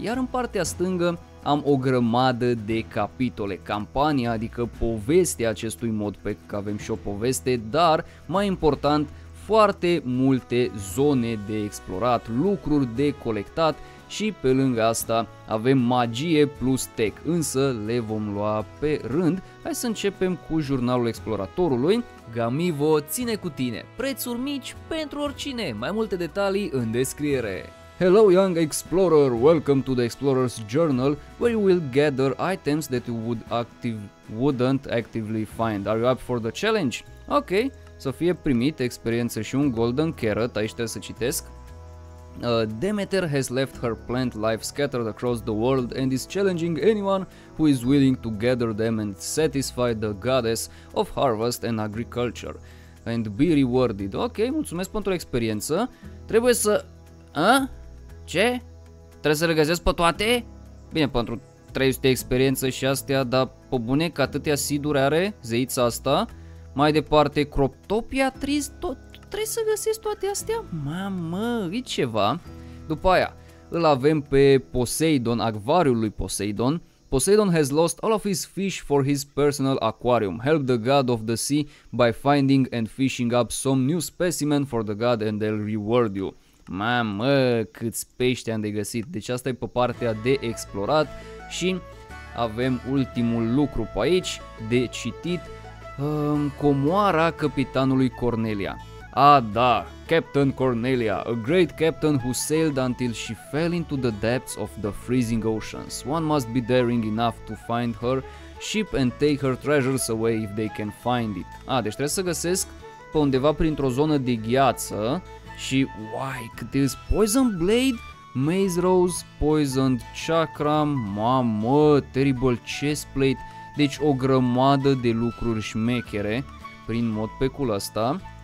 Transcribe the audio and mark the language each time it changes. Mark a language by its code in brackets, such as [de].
[ro] Iar în partea stângă am o grămadă de capitole, campania, adică povestea acestui mod pe care avem și o poveste, dar mai important, foarte multe zone de explorat, lucruri de colectat și pe lângă asta avem magie plus tech, însă le vom lua pe rând. Hai să începem cu jurnalul exploratorului. Gamivo ține cu tine, prețuri mici pentru oricine, mai multe detalii în descriere. [en] Hello young explorer, welcome to the explorer's journal where you will gather items that you wouldn't actively find. Are you up for the challenge? [ro] Ok, să fie primit experiență și un golden carrot, aici trebuie să citesc. [en] Demeter has left her plant life scattered across the world and is challenging anyone who is willing to gather them and satisfy the goddess of harvest and agriculture and be rewarded. [ro] Ok, mulțumesc pentru experiență. Trebuie să... A? Ce? Trebuie să le găsesc pe toate? Bine, pentru 300 experiență și astea, dar pe bune că atâtea siduri are zeița asta. Mai departe, croptopia trist tot. Trebuie să găsesc toate astea? Mamă, e ceva. După aia, îl avem pe Poseidon, acvariul lui Poseidon. [en] Poseidon has lost all of his fish for his personal aquarium. Help the god of the sea by finding and fishing up some new specimen for the god and they'll reward you. [ro] Mamă, câți pești am de găsit. Deci asta e pe partea de explorat și avem ultimul lucru pe aici de citit. Comoara capitanului Cornelia. Ah, da, [en] Captain Cornelia, a great captain who sailed until she fell into the depths of the freezing oceans. One must be daring enough to find her ship and take her treasures away if they can find it. [ro] Ah, deci trebuie să găsesc pe undeva printr-o zonă de gheață și, uai, cât is Poison Blade, Maze Rose, Poisoned Chakra, mamă, Terrible Chest Plate, deci o grămadă de lucruri șmechere prin mod pe cul ăsta.